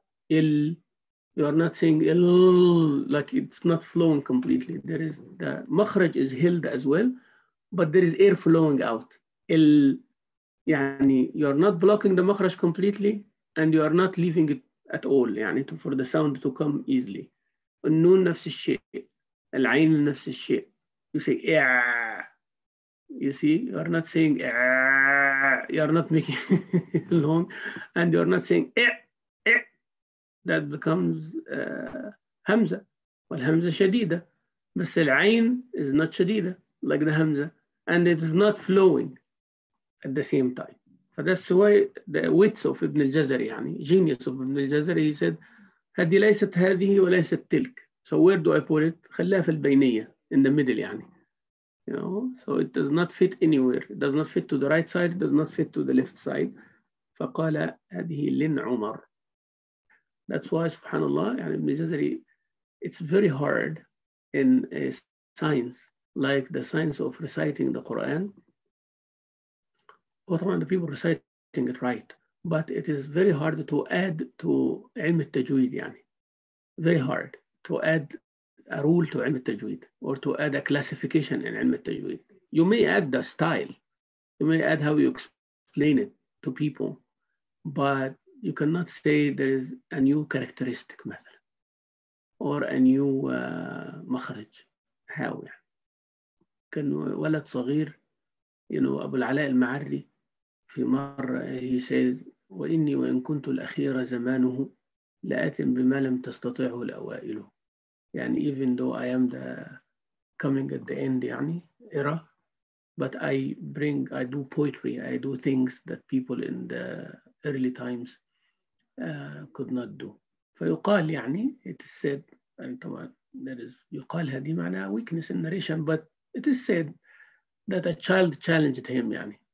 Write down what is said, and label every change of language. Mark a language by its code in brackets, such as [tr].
[en] Ill, you are not saying ill, like it's not flowing completely. There is, the makhraj is held as well, but there is air flowing out. Ill, يعني, you are not blocking the makhraj completely and you are not leaving it at all, يعني, to, for the sound to come easily. [ar] النون نفس الشيء, العين نفس الشيء. [en] You say, you see, you are not saying, you are not making long, and you are not saying, that becomes hamza. Well, hamza shadida, but the عين is not shadida like the hamza, and it is not flowing at the same time. But that's why the wits of Ibn al-Jazari, يعني, genius of Ibn al-Jazari, he said, [ar] هذه ليست هذه وليست تلك. [en] So where do I put it? خلاها في البينية, in the middle, يعني. You know, so it does not fit anywhere. It does not fit to the right side. It does not fit to the left side. [ar] فقال هذه لن عمر. [en] That's why, subhanAllah, يعني Ibn al-Jazari, it's very hard in a science, like the science of reciting the Quran. وطبعاً the people reciting it right, but it is very hard to add to علم التجويد, يعني. Very hard to add a rule to علم التجويد or to add a classification in علم التجويد. You may add the style, you may add how you explain it to people, but you cannot say there is a new characteristic method or a new مخرج. How? [ar] كان ولد صغير, [en] you know, [ar] أبو العلاء المعري, في مرة [en] he says, [ar] وإني وإن كنت الأخير زمانه لآتٍ بما لم تستطيعه الأوائل. [en] يعني even though I am the coming at the end, يعني, era, but I do poetry, I do things that people in the early times could not do. [ar] فيقال, يعني, [en] it is said, and طبعا there is, [ar] يقال هذه معنى [en] weakness in narration, but it is said that a child challenged him, يعني.